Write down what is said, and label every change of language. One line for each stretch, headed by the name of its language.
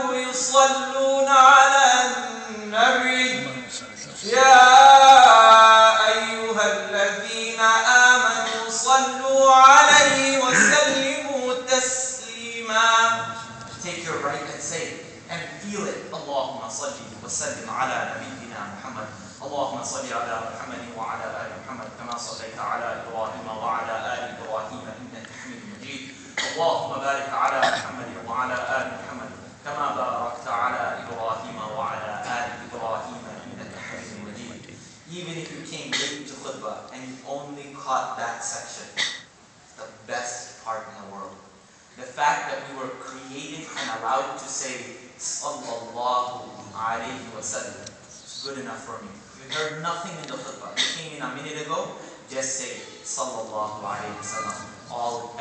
Arabic: يصلون على النبي يا أيها الذين آمنوا صلوا عليه وسلموا تسليما.
English: Take your right and say it and feel it.
Arabic: اللهم صل وسلم على نبينا محمد. اللهم صل على محمد وعلى آل محمد كما صليت على إبراهيم وعلى آل إبراهيم إنك حميد مجيد. اللهم بارك على محمد وعلى آل محمد كما باركت على إبراهيم وعلى آل إبراهيم إنك حميد مجيد.
English: Even if you came late to khutbah and you only caught that section, the best part in the world. The fact that we were created and allowed to say sallallahu alayhi wa sallam, good enough for me. You heard nothing in the khutbah. You came in a minute ago, just say sallallahu alayhi wa sallam.